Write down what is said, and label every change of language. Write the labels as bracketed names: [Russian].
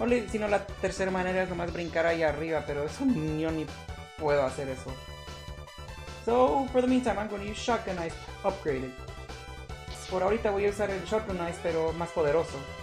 [Spanish] Sino la tercera manera es nomás brincar ahí arriba, pero eso yo ni puedo hacer eso. [English] So, for the meantime, I'm going to use Shotgun Eyes upgraded. [Spanish] Por ahorita voy a usar el Shotgun Eyes, pero más poderoso.